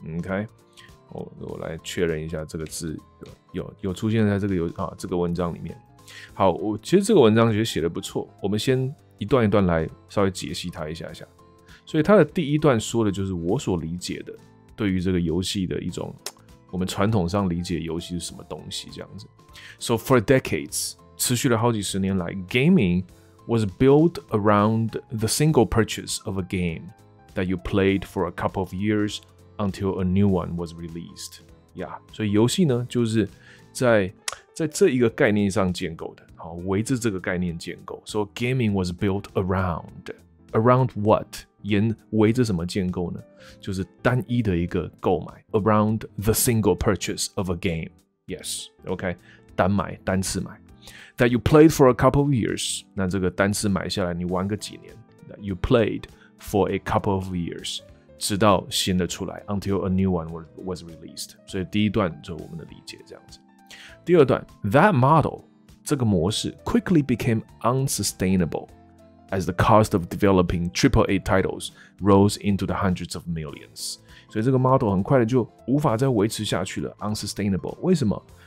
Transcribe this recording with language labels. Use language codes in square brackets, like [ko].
[zh] OK， 我来确认一下这个字有出现在这个文章里面。好，我其实这个文章其实写的不错，我们先一段一段来稍微解析它一下下。所以它的第一段说的就是我所理解的对于这个游戏的一种，我们传统上理解游戏是什么东西这样子。 [en] So for decades， [zh] 持续了好几十年来 [en] ，gaming was built around the single purchase of a game that you played for a couple of years until a new one was released. [zh] Yeah， 所以游戏呢，就是在这一个概念上建构的，好，围着这个概念建构。 [en] So gaming was built around what？ [zh] 围着什么建构呢？就是单一的一个购买 ， [en] around the single purchase of a game. [zh] Yes， OK， 单买，单次买。 [en] That you played for a couple of years， [zh] 那这个单次买下来，你玩个几年 [en] ？That you played for a couple of years， [zh] 直到新的出来 [en] ，until a new one was released。 [zh] 所以第一段就我们的理解这样子。第二段 [en] ，That model [zh] 这个模式 [en] quickly became unsustainable as the cost of developing AAA titles rose into the hundreds of millions。 [zh] 所以这个 model 很快的就无法再维持下去了 ，unsustainable。为什么？